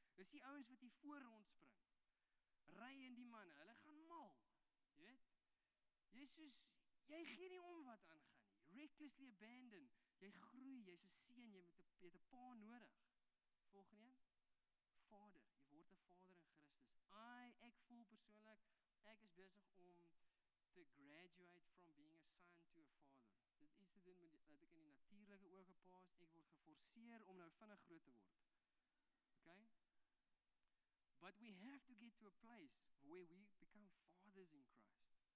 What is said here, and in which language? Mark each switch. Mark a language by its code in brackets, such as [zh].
[af] Dis die ouens wat hier voor rondspring. Ry in die manne, hulle gaan mal. Jy weet? Jesus, jy gee nie om wat aangaan nie. [en] Recklessly abandoned. [af] Jy groei, jy's 'n seun, jy moet 'n beter pa nodig. Volgende een. Vader, jy word 'n vader in Christus. Ek voel persoonlik, ek is besig om te [en] graduate from being a son to a father. [af] Dit is te doen met dat ek in die natuurlike oog 'n pa is, ek word geforseer om nou vinnig groot te word. Okay? [en] But we have to get to a place where we become fathers in Christ.